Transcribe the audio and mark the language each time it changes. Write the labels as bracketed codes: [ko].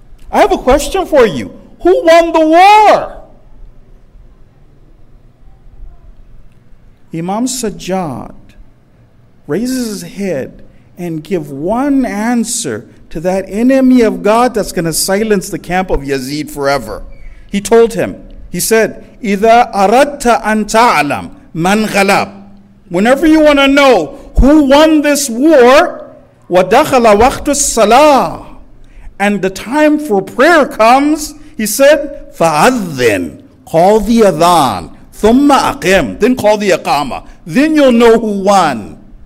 [en] I have a question for you. Who won the war? Imam Sajjad raises his head and give one answer to that enemy of God that's going to silence the camp of Yazid forever. He told him, he said, [ar] إِذَا أَرَدْتَ أَن تَعْلَمْ مَنْ غَلَبْ. [en] Whenever you want to know who won this war, [ar] وَدَخَلَ وَقْتُ الصَّلَاةِ, [en] and the time for prayer comes, he said, [ar] فَأَذِّنْ, [en] call the adhan, [ar] ثُمَّ أَقِمْ, [en] then call the aqama, then you'll know who won.